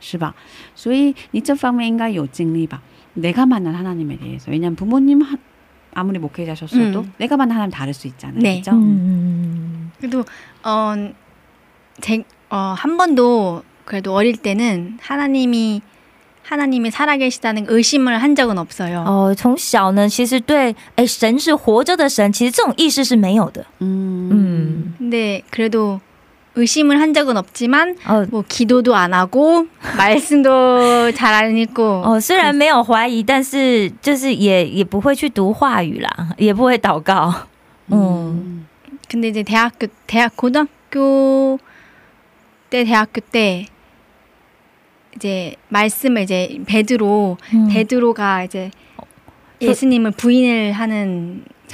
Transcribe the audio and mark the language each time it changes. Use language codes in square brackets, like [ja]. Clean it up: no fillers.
[zh] 他们的信仰是他们的信仰，我的信仰是我的信仰，应该有影响的，可是我应该自己要遇见神，是吧？所以你这方面应该有经历吧。 [ko] 내가 만난 하나님에 대해서, 왜냐면 부모님 아무리 목회자셨어도 내가 만난 하나님 다를 수 있잖아요. 네. 그렇죠? 그래도 한 번도 그래도 어릴 때는 하나님이 살아계시다는 의심을 한 적은 없어요. [zh] 从小呢，其实对哎神是活着的神，其实这种意识是没有的。 [ko] 근데 그래도 의심을 한 적은 없지만 뭐 기도도 안 하고 말씀도 잘 안 읽고 [zh] 虽然没有怀疑，但是就是也不会去读话语啦，也不会祷告。 [ko] 근데 이제 고등학교 때 대학교 때 이제 말씀을 이제 베드로가 이제 예수님을 부인을 하는